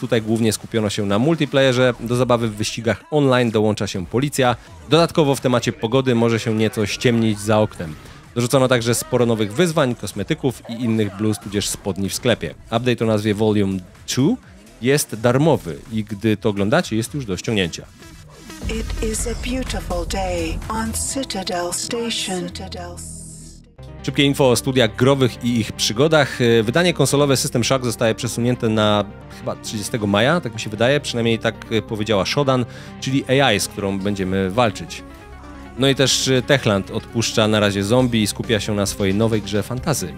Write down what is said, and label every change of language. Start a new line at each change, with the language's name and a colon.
Polish: Tutaj głównie skupiono się na multiplayerze. Do zabawy w wyścigach online dołącza się policja. Dodatkowo w temacie pogody może się nieco ściemnić za oknem. Dorzucono także sporo nowych wyzwań, kosmetyków i innych bluz tudzież spodni w sklepie. Update o nazwie Volume 2 jest darmowy i gdy to oglądacie, jest już do ściągnięcia.
English: It is a beautiful day on Citadel Station.
Polish: Szybkie info o studiach growych i ich przygodach. Wydanie konsolowe System Shock zostaje przesunięte na chyba 30 maja, tak mi się wydaje, przynajmniej tak powiedziała Shodan, czyli AI, z którą będziemy walczyć. No i też Techland odpuszcza na razie zombie i skupia się na swojej nowej grze fantasy.